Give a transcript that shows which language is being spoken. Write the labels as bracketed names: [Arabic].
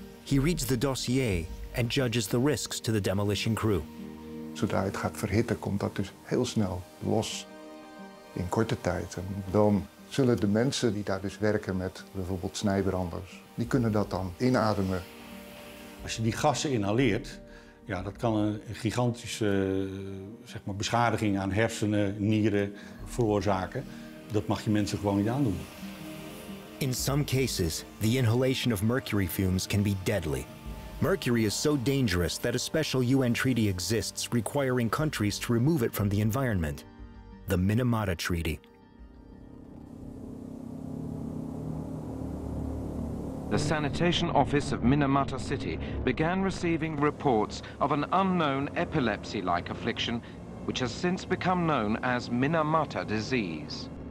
[English] He reads the dossier and judges the risks to the demolition crew. [Dutch] Zodra het gaat verhitten, komt dat dus heel snel los in korte tijd. En dan zullen de mensen die daar dus werken met bijvoorbeeld snijbranders, die kunnen dat dan inademen. Als je die gassen inhaleert, ja, dat kan een gigantische zeg maar beschadiging aan hersenen, nieren veroorzaken. Dat mag je mensen gewoon niet aandoen. [English] In some cases, the inhalation of mercury fumes can be deadly. Mercury is so dangerous that a special UN treaty exists requiring countries to remove it from the environment, the Minamata Treaty. The sanitation office of Minamata City began receiving reports of an unknown epilepsy-like affliction, which has since become known as Minamata disease.